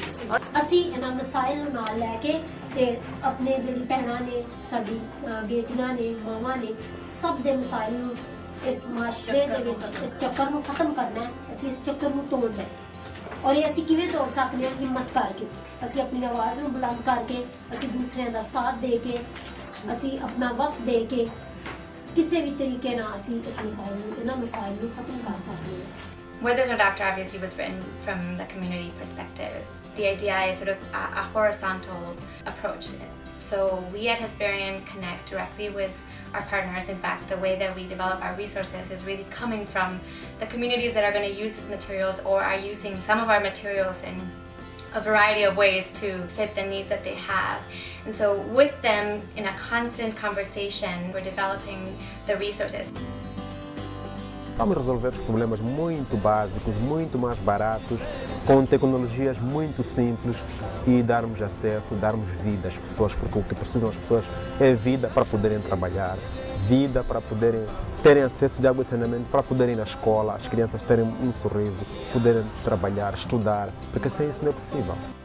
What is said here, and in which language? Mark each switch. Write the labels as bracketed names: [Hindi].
[Punjabi] ਹੈ ਅਸੀਂ ਇਹਨਾਂ ਮਸਾਇਲ ਨਾਲ ਲੈ ਕੇ ਤੇ ਆਪਣੇ ਜਿਹੜੀ ਭੈਣਾਂ ਨੇ ਸਾਡੀ ਬੇਟੀਆਂ ਨੇ ਮਾਵਾਂ ਨੇ ਸਭ ਦੇ ਮਸਾਇਲ ਨੂੰ ਇਸ ਮਾਸ਼ਰੇ ਦੇ ਵਿੱਚ ਇਸ ਚੱਕਰ ਨੂੰ ਖਤਮ ਕਰਨਾ ਅਸੀਂ ਇਸ ਚੱਕਰ ਨੂੰ ਤੋੜਨਾ ਔਰ ਇਹ ਅਸੀਂ ਕਿਵੇਂ ਤੋੜ ਸਕਦੇ ਹਾਂ ਹਿੰਮਤ ਕਰਕੇ ਅਸੀਂ ਆਪਣੀ ਆਵਾਜ਼ ਨੂੰ ਬੁਲੰਦ ਕਰਕੇ ਅਸੀਂ ਦੂਸਰਿਆਂ ਦਾ ਸਾਥ ਦੇ ਕੇ ਅਸੀਂ ਆਪਣਾ ਵਕਤ ਦੇ ਕੇ [English] Where There's No Doctor obviously was written from the community perspective. The idea is sort of a horizontal approach. So we at Hesperian connect directly with our partners. In fact, the way that we develop our resources is really coming from the communities that are going to use these materials or are using some of our materials in a variety of ways to fit the needs that they have. And so with them, in a constant conversation, we're developing the resources. [Portuguese] Vamos resolver os problemas muito básicos, muito mais baratos, com tecnologias muito simples e darmos acesso, darmos vida às pessoas, porque o que precisam as pessoas é vida para poderem trabalhar, vida para poderem terem acesso de água e saneamento, para poderem ir na escola, as crianças terem um sorriso, poderem trabalhar, estudar, porque sem isso não é possível.